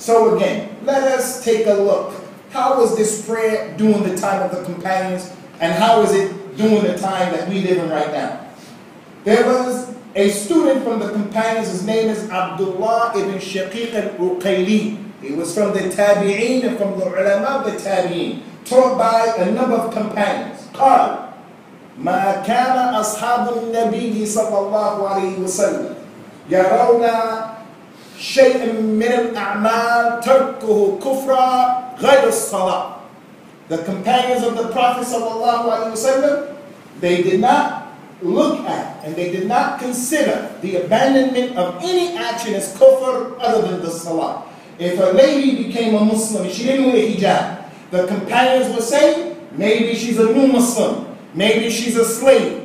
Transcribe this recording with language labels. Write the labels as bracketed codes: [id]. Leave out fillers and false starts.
[en] So again, let us take a look. How was this prayer during the time of the companions, and how is it during the time that we live in right now? There was a student from the companions, his name is Abdullah ibn Shaqiq al-Uqayli. He was from the Tabi'een and from the ulama of the Tabi'een, taught by a number of companions. [ar] قال ما كان أصحاب النبي صلى الله عليه وسلم يرون شيء من الأعمال تركه كفرا غير الصلاة. [en] The companions of the Prophet sallallahu alaihi wasallam, they did not look at and they did not consider the abandonment of any action as kufr other than the salah. If a lady became a Muslim and she didn't wear hijab, the companions would say, maybe she's a new Muslim, maybe she's a slave.